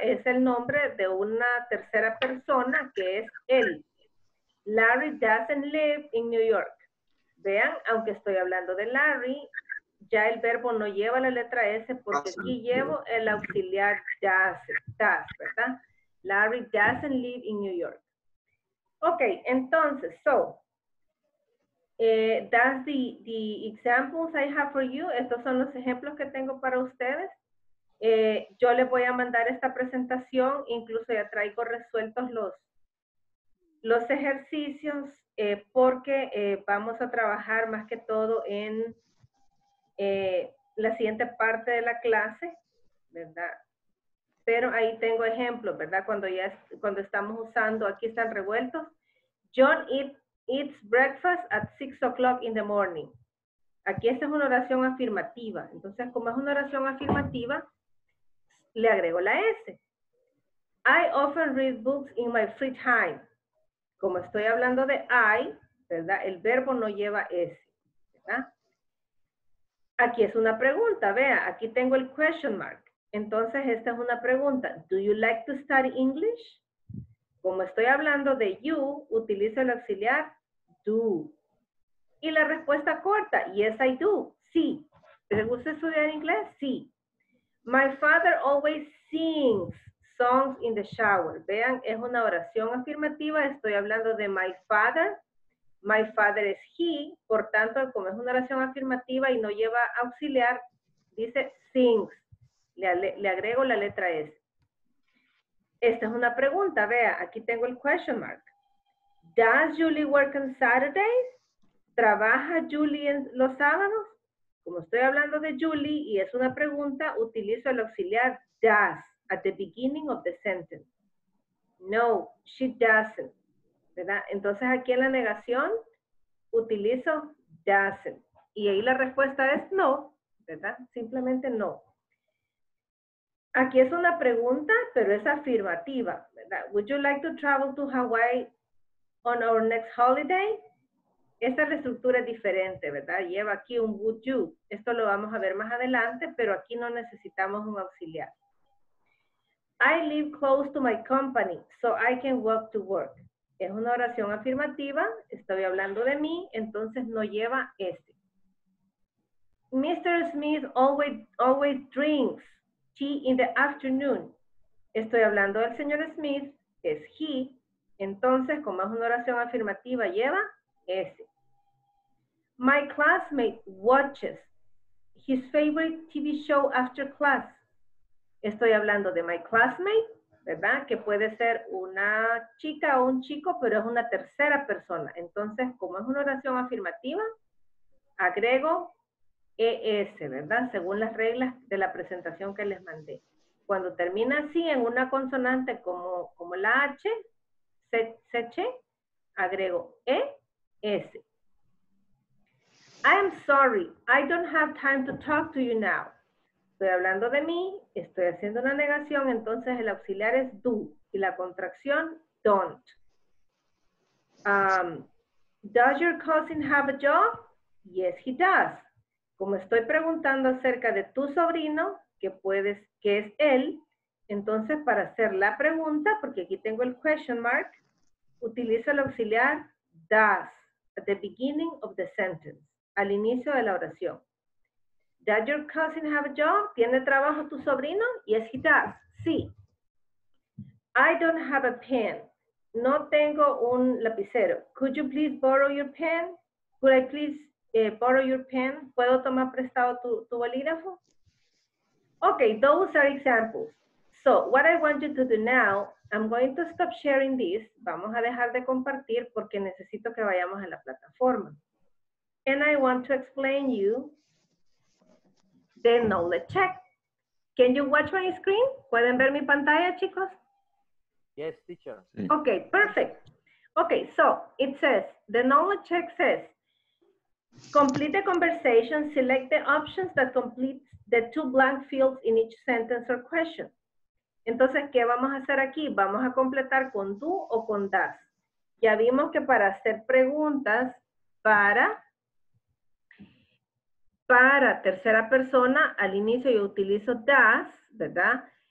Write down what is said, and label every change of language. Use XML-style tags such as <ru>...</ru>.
<es>Es el nombre de una tercera persona que es él.</es> <en>Larry doesn't live in New York.</en> <es>Vean, aunque estoy hablando de Larry, ya el verbo no lleva la letra S porque aquí llevo el auxiliar does, ¿verdad?</es> <en>Larry doesn't live in New York. Ok, entonces, so, that's the examples I have for you.</en> <es>Estos son los ejemplos que tengo para ustedes. Yo les voy a mandar esta presentación, incluso ya traigo resueltos los ejercicios, porque vamos a trabajar más que todo en la siguiente parte de la clase, ¿verdad? Pero ahí tengo ejemplos, ¿verdad? Cuando estamos usando, aquí están revueltos.</es> <en>John eats breakfast at 6 o'clock in the morning.</en> <es>Aquí esta es una oración afirmativa. Entonces, como es una oración afirmativa, le agrego la S.</es> <en>I often read books in my free time.</en> <es>Como estoy hablando de I, ¿verdad? El verbo no lleva S, ¿verdad? Aquí es una pregunta, vea, aquí tengo el question mark. Entonces, esta es una pregunta.</es> <en>Do you like to study English?</en> <es>Como estoy hablando de you, utilizo el auxiliar do. Y la respuesta corta,</es> <en>yes, I do,</en> <es>sí. ¿Te gusta estudiar inglés? Sí.</es> <en>My father always sings songs in the shower.</en> <es>Vean, es una oración afirmativa, estoy hablando de</es> <en>my father. My father is he,</en> <es>por tanto, como es una oración afirmativa y no lleva auxiliar, dice sings. Le agrego la letra S. Esta es una pregunta, vea, aquí tengo el question mark.</es> <en>Does Julie work on Saturdays?</en> <es>¿Trabaja Julie en los sábados? Como estoy hablando de Julie y es una pregunta, utilizo el auxiliar does</es> <en>at the beginning of the sentence. No, she doesn't.</en> <es>¿Verdad? Entonces aquí en la negación utilizo doesn't. Y ahí la respuesta es no, ¿verdad? Simplemente no. Aquí es una pregunta, pero es afirmativa, ¿verdad?</es> <en>Would you like to travel to Hawaii on our next holiday?</en> <es>Esta es la estructura diferente, ¿verdad? Lleva aquí un</es> <en>would you.</en> <es>Esto lo vamos a ver más adelante, pero aquí no necesitamos un auxiliar.</es> <en>I live close to my company, so I can walk to work.</en> <es>Es una oración afirmativa, estoy hablando de mí, entonces no lleva este. Mr.</es> <en>Smith always drinks tea in the afternoon.</en> <es>Estoy hablando del señor Smith, es he, entonces como es una oración afirmativa lleva este.</es> <en>My classmate watches his favorite TV show after class.</en> <es>Estoy hablando de</es> <en>my classmate,</en> <es>¿verdad? Que puede ser una chica o un chico, pero es una tercera persona. Entonces, como es una oración afirmativa, agrego ES, ¿verdad? Según las reglas de la presentación que les mandé. Cuando termina así, en una consonante como la H, CH, agrego ES.</es> <en>I am sorry, I don't have time to talk to you now.</en> <es>Estoy hablando de mí, estoy haciendo una negación, entonces el auxiliar es do y la contracción don't.</es> <en>Does your cousin have a job? Yes, he does.</en> <es>Como estoy preguntando acerca de tu sobrino, que es él, entonces para hacer la pregunta, porque aquí tengo el question mark, utilizo el auxiliar does</es> <en>at the beginning of the sentence,</en> <es>al inicio de la oración.</es> <en>Does your cousin have a job?</en> <es>¿Tiene trabajo tu sobrino?</es> <en>Yes, he does. Sí. I don't have a pen.</en> <es>No tengo un lapicero.</es> <en>Could you please borrow your pen? Could I please borrow your pen?</en> <es>¿Puedo tomar prestado tu bolígrafo?</es> <en>Okay, those are examples. So, what I want you to do now, I'm going to stop sharing this.</en> <es>Vamos a dejar de compartir porque necesito que vayamos a la plataforma.</es> <en>And I want to explain you the knowledge check. Can you watch my screen?</en> <es>¿Pueden ver mi pantalla, chicos?</es> <en>Yes, teacher. Okay, perfect. Okay, so it says, the knowledge check says, complete the conversation, select the options that complete the two blank fields in each sentence or question.</en> <es>Entonces, ¿qué vamos a hacer aquí? Vamos a completar con do o con does. Ya vimos que para hacer preguntas, para tercera persona, al inicio yo utilizo does, ¿verdad?</es>